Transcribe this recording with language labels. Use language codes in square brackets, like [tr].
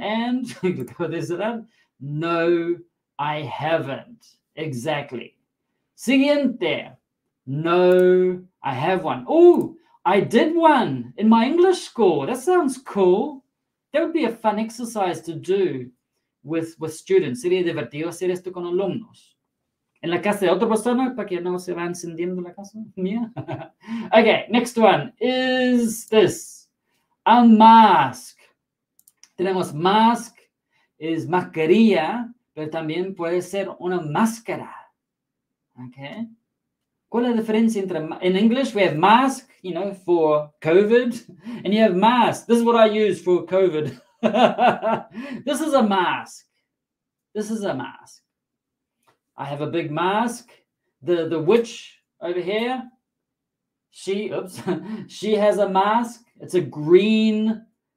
[en] And, there's that. No, I haven't. Exactly. [es] Siguiente. [en] No, I have one. Oh, I did one in my English school. That sounds cool. That would be a fun exercise to do with students. [es] Sería divertido hacer esto con alumnos. En la casa de otra persona, para que no se va encendiendo la casa mía. [en] Okay, next one is this. A mask. [es] Tenemos mask. Es mascarilla, pero también puede ser una máscara. Okay. ¿Cuál es la diferencia entre... [en] In English, we have mask, you know, for COVID. And you have mask. This is what I use for COVID. This is a mask. This is a mask. I have a big mask. The witch over here, she has a mask. It's a green